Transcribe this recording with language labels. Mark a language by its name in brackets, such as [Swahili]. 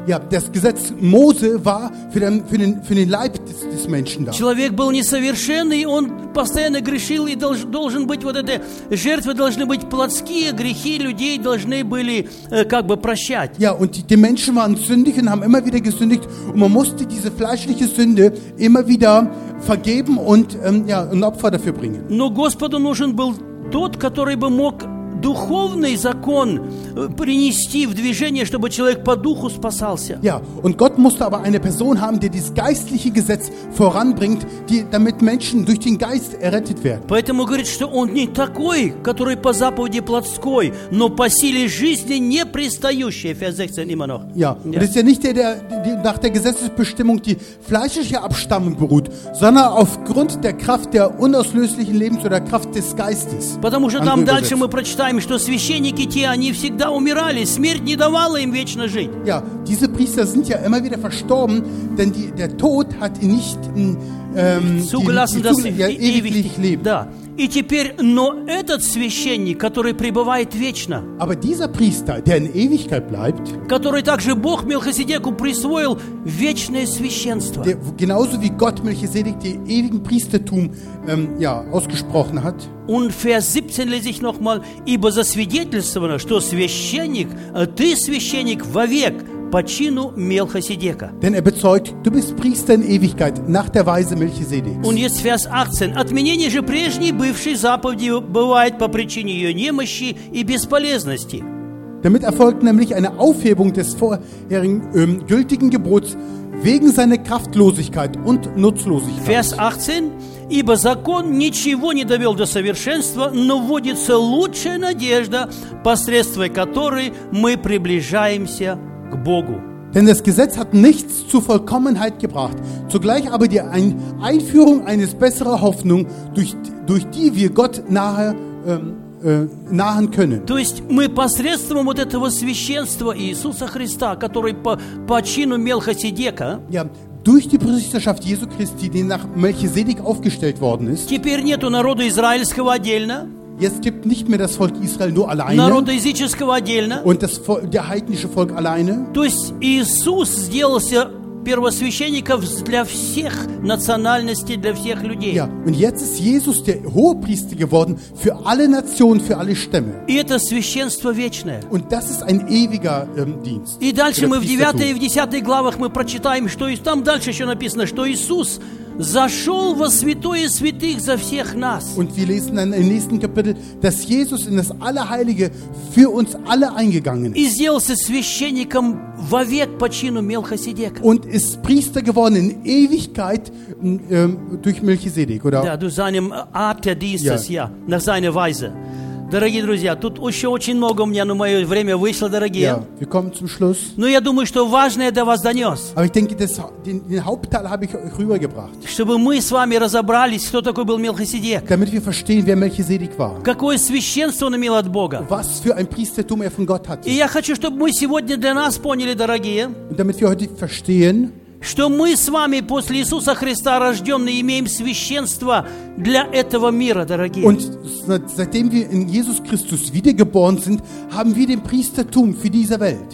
[German] Ja, das Gesetz Mose war für den Leib des Menschen da. [Russian] Человек был несовершенный, он постоянно грешил и должен быть вот эти жертвы должны быть плотские, грехи людей должны были как бы прощать. [German] Ja, und die Menschen waren sündig und haben immer wieder gesündigt und man musste diese fleischliche Sünde immer wieder vergeben und ein Opfer dafür bringen. [Russian] Но Господу нужен был тот, который бы мог духовный закон принести в движение, чтобы человек по духу спасался. [German] Ja, und Gott musste aber eine Person haben, die dieses geistliche Gesetz voranbringt, damit Menschen durch den Geist errettet werden. [Russian] Поэтому говорит, что он не такой, который по заповеди плотской, но по силе жизни непрестающей. [German] Vers 16 immer noch. Ja, und es ist ja nicht der nach der Gesetzesbestimmung die fleischliche Abstammung beruht, sondern aufgrund der Kraft der unauslöslichen Lebens oder Kraft des Geistes. [Russian] Потому что там дальше мы прочитаем, что священники те, они всегда умирали, смерть не давала им вечно жить. [German] Ja, diese Priester sind ja immer wieder verstorben, denn der Tod hat ihn nicht zugelassen, dass sie ewiglich leben. [Russian] Да. И теперь, но этот священник, который пребывает вечно, [German] aber dieser Priester, der in Ewigkeit bleibt, [Russian] который также Бог Мелхиседеку присвоил вечное священство, [German] der, genauso wie Gott Melchisedek den ewigen Priestertum ausgesprochen hat. Und Vers 17 lese ich nochmal, [Russian] ибо засвидетельствовано, что священник, ты священник вовек, по чину Мелхиседека. [German] Denn er bezeugt, du bist Priester in Ewigkeit, nach der Weise Melchisedeks. Und jetzt Vers 18. [Russian] Отменение же прежней бывшей заповеди бывает по причине ее немощи и бесполезности. [German] Damit erfolgt nämlich eine Aufhebung des vorherigen gültigen Gebots wegen seiner Kraftlosigkeit und Nutzlosigkeit. Vers 18. [Russian] Ибо закон ничего не довел до совершенства, но вводится лучшая надежда, посредством которой мы приближаемся к Богу. [German] Denn das Gesetz hat nichts zur Vollkommenheit gebracht, zugleich aber die Einführung eines besseren Hoffnung, durch die wir Gott nahen können. [Russian] То есть мы посредством вот этого священства Иисуса Христа, который по чину Мелхиседека, [German] ja, durch die Priesterschaft Jesu Christi, die nach Melchisedek aufgestellt worden ist, [Russian] теперь нету народа израильского отдельно, [German] jetzt gibt nicht mehr das Volk Israel nur alleine. [Russian] Народоязыческого отдельно. [German] Und das Volk, der heidnische Volk alleine. [Russian] То есть Иисус сделался первосвященником для всех национальностей, для всех людей. [German] Ja, und jetzt ist Jesus der Hohepriester geworden für alle Nationen, für alle Stämme. [Russian] И это священство вечное. [German] Und das ist ein ewiger Dienst. [Russian] И дальше мы в 9 и в 10 главах мы прочитаем, что и там дальше еще написано, что Иисус зашел во святое святых за всех нас. [German] Und wir lesen dann im nächsten Kapitel, dass Jesus in das Allerheilige für uns alle eingegangen ist. [Russian] И сделался священником вовек по чину Мелхиседека. [German] Und ist Priester geworden in Ewigkeit durch Melchisedek, oder? Да, durch seine Art der Dienstes, ja, nach seiner Weise. [Russian] Дорогие друзья, тут еще очень много у меня, но мое время вышло, дорогие. [German] Ja, wir kommen zum Schluss. [Russian] Но я думаю, что важное до вас донес. [German] Aber ich denke, den Hauptteil habe ich euch rübergebracht. [Russian] Чтобы мы с вами разобрались, кто такой был Мелхиседек. [German] Damit wir verstehen, wer Melchisedek war. [Russian] Какое священство он имел от Бога. [German] Was für ein Priestertum er von Gott hatte. [Russian] И я хочу, чтобы мы сегодня для нас поняли, дорогие. [German] Und damit wir heute verstehen, [Russian] что мы с вами после Иисуса Христа рожденные имеем священство для этого мира, дорогие. [German] Und seitdem wir in Jesus Christus wiedergeboren sind, haben wir den Priestertum für diese Welt.